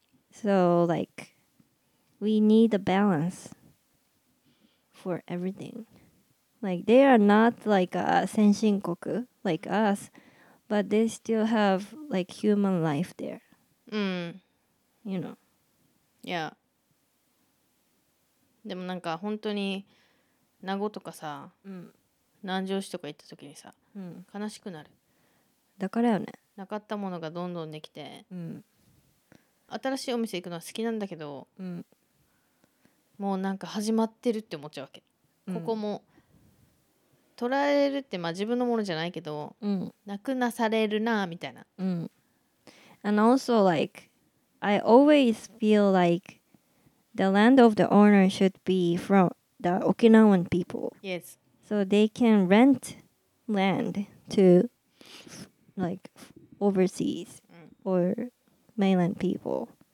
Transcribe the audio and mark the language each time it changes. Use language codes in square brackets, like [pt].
[en] So, like, we need a balance for everything. Like, they are not like a senshinkoku, like us, but they still have, like, human life there. Mm. You know. Yeah. [ja] でもなんか本当に名護とかさ、南城市とか行った時にさ、悲しくなる。だからよね。なかったものがどんどんできて、うん、新しいお店行くのは好きなんだけど、うん、もうなんか始まってるって思っちゃうわけ、うん、ここも捉えるってまあ自分のものじゃないけど、うん、なくなされるなみたいな、 [en] うん、And also like I always feel like the land of the owner should be from the Okinawan people. Yes. So they can rentland to like overseas or mainland people.